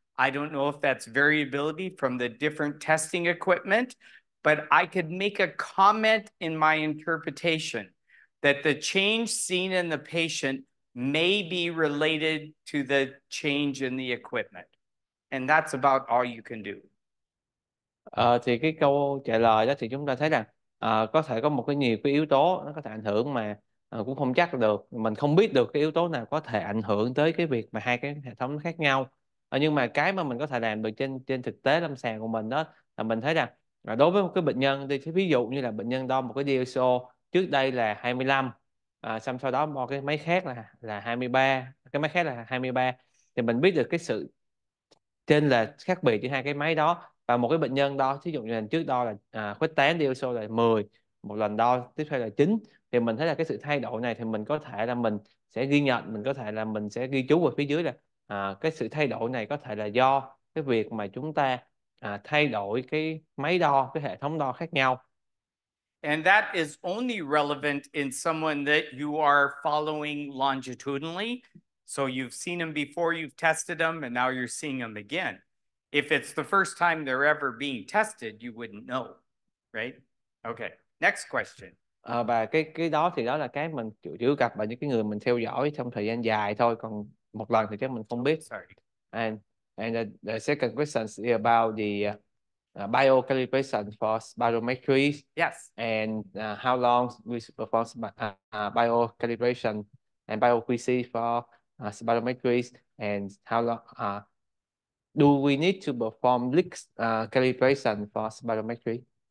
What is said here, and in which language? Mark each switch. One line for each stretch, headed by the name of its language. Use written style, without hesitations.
English: I don't know if that's variability from the different testing equipment, but I could make a comment in my interpretation that the change seen in the patient may be related to the change in the equipment. And that's about all you can do.
Vietnamese: Thì cái câu trả lời đó thì chúng ta thấy rằng có thể có một cái nhiều cái yếu tố nó có thể ảnh hưởng mà cũng không chắc được, mình không biết được cái yếu tố nào có thể ảnh hưởng tới cái việc mà hai cái hệ thống khác nhau. Nhưng mà cái mà mình có thể làm được trên trên thực tế lâm sàng của mình đó là mình thấy rằng đối với một cái bệnh nhân, thì ví dụ như là bệnh nhân đo một cái DLCO trước đây là 25, xong sau đó một cái máy khác là 23, cái máy khác là 23, thì mình biết được cái sự trên là khác biệt giữa hai cái máy đó. Và một cái bệnh nhân đo, ví dụ như lần trước đo là khuếch tán DLCO là 10, một lần đo tiếp theo là 9, thì mình thấy là cái sự thay đổi này thì mình có thể là mình sẽ ghi nhận, mình có thể là mình sẽ ghi chú ở phía dưới là cái sự thay đổi này có thể là do cái việc mà chúng ta thay đổi cái máy đo, cái hệ thống đo khác nhau.
English: And that is only relevant in someone that you are following longitudinally. So you've seen them before, you've tested them, and now you're seeing them again. If it's the first time they're ever being tested, you wouldn't know, right? Okay, next question.
Vietnamese: Và cái đó thì đó là cái mình chủ yếu gặp và những cái người mình theo dõi trong thời gian dài thôi, còn một lần thì chắc mình không biết.
English: Sorry. And the second question is about the biocalibration for spirometry. Yes. And how long we perform biocalibration and bioQC for spirometry, and how long do we need to perform leak calibration for spirometry?